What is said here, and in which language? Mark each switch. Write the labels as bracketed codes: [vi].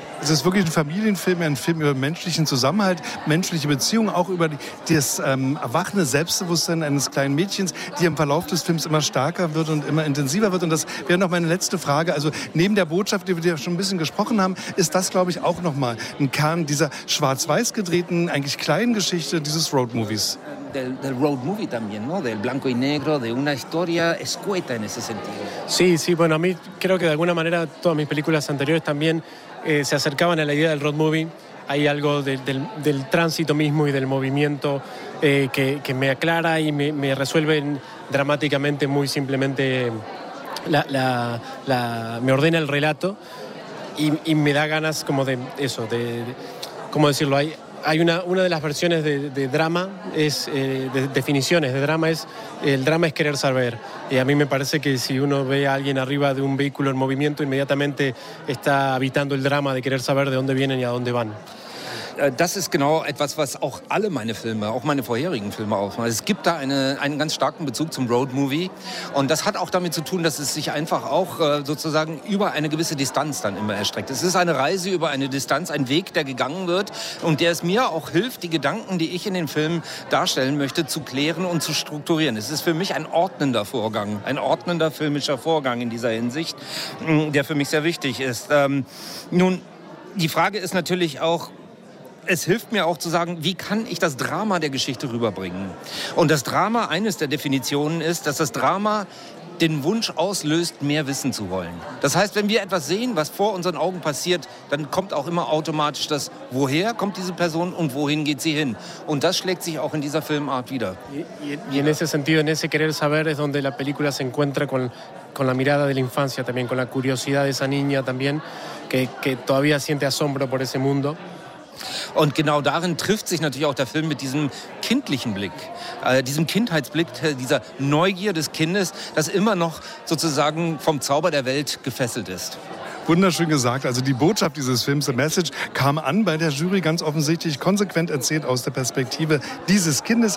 [de] Es ist wirklich ein Familienfilm, ein Film über menschlichen Zusammenhalt, menschliche Beziehungen, auch über das erwachende Selbstbewusstsein eines kleinen Mädchens, die im Verlauf des Films immer stärker wird und immer intensiver wird. Und das wäre noch meine letzte Frage. Also neben der Botschaft, die wir ja schon ein bisschen gesprochen haben, ist das, glaube ich, auch nochmal ein Kern dieser schwarz-weiß gedrehten, eigentlich kleinen Geschichte dieses Roadmovies. [es] Del road movie también, ¿no? Del blanco y negro, de una historia escueta en ese sentido. Sí, sí, bueno, a mí creo que de alguna manera todas mis películas anteriores también se acercaban a la idea del road movie. Hay algo del tránsito mismo y del movimiento que me aclara y me resuelve dramáticamente, muy simplemente, me ordena el relato y me da ganas como de eso, ¿cómo decirlo? Hay una de las versiones de drama, es de definiciones de drama, es el drama es querer saber. Y a mí me parece que si uno ve a alguien arriba de un vehículo en movimiento, inmediatamente está habitando el drama de querer saber de dónde vienen y a dónde van. [de] Das ist genau etwas, was auch alle meine Filme, auch meine vorherigen Filme aufmacht. Es gibt da einen ganz starken Bezug zum Roadmovie. Und das hat auch damit zu tun, dass es sich einfach auch sozusagen über eine gewisse Distanz dann immer erstreckt. Es ist eine Reise über eine Distanz, ein Weg, der gegangen wird und der es mir auch hilft, die Gedanken, die ich in den Filmen darstellen möchte, zu klären und zu strukturieren. Es ist für mich ein ordnender Vorgang, ein ordnender filmischer Vorgang in dieser Hinsicht, der für mich sehr wichtig ist. Nun, die Frage ist natürlich auch, es hilft mir auch zu sagen, wie kann ich das Drama der Geschichte rüberbringen? Und das Drama, eines der Definitionen ist, dass das Drama den Wunsch auslöst, mehr wissen zu wollen. Das heißt, wenn wir etwas sehen, was vor unseren Augen passiert, dann kommt auch immer automatisch das, woher kommt diese Person und wohin geht sie hin? Und das schlägt sich auch in dieser Filmart wieder. [es] Y en ese sentido, en ese querer saber, es donde la película se encuentra con la mirada de la infancia también, con la curiosidad de esa niña también, que todavía siente asombro por ese mundo. [de] Und genau darin trifft sich natürlich auch der Film mit diesem kindlichen Blick, diesem Kindheitsblick, dieser Neugier des Kindes, das immer noch sozusagen vom Zauber der Welt gefesselt ist. Wunderschön gesagt. Also die Botschaft dieses Films, The Message, kam an bei der Jury ganz offensichtlich, konsequent erzählt aus der Perspektive dieses Kindes.